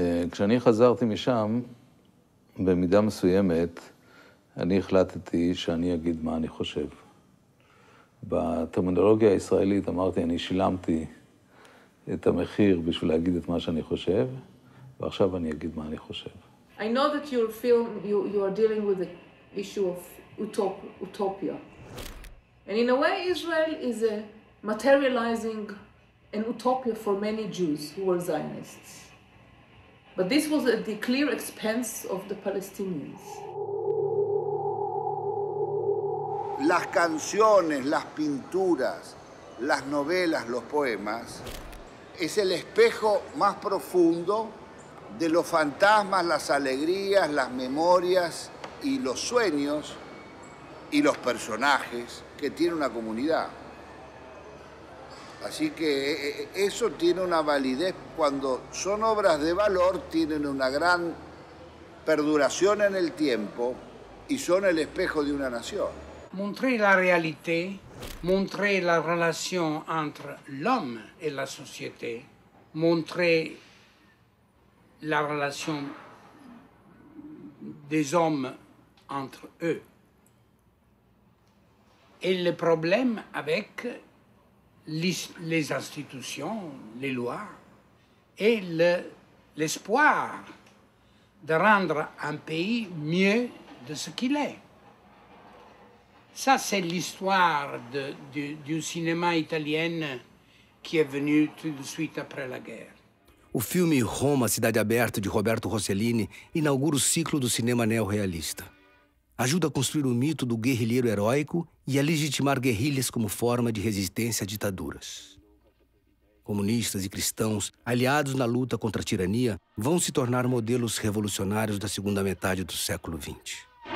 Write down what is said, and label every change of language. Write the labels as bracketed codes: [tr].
[he] כשאני חזרתי משם, במידה מסוימת, אני החלטתי שאני אגיד מה אני חושב. בטרמינולוגיה הישראלית אמרתי, אני שילמתי את המחיר בשביל להגיד את מה שאני חושב, ועכשיו אני אגיד מה אני חושב. [en] I know that your film, you are dealing with the issue of utopia. And in a way, Israel is a materializing an utopia for many Jews who were Zionists. But this was at the clear expense of the Palestinians. [es] Las canciones, las pinturas, las novelas, los poemas, es el espejo más profundo de los fantasmas, las alegrías, las memorias y los sueños y los personajes que tiene una comunidad. Así que eso tiene una validez. Cuando son obras de valor, tienen una gran perduración en el tiempo y son el espejo de una nación. [fr] Montrer la réalité, montrer la relation entre l'homme et la société, montrer la relation des hommes entre eux. Et le problème avec les institutions, les lois, et l'espoir de rendre un pays mieux de ce qu'il est. Ça, c'est l'histoire du cinéma italien qui est venu tout de suite après la guerre. [pt] O filme Roma, Cidade Aberta, de Roberto Rossellini, inaugura o ciclo do cinema neorrealista. Ajuda a construir o mito do guerrilheiro heróico e a legitimar guerrilhas como forma de resistência a ditaduras. Comunistas e cristãos, aliados na luta contra a tirania, vão se tornar modelos revolucionários da segunda metade do século XX.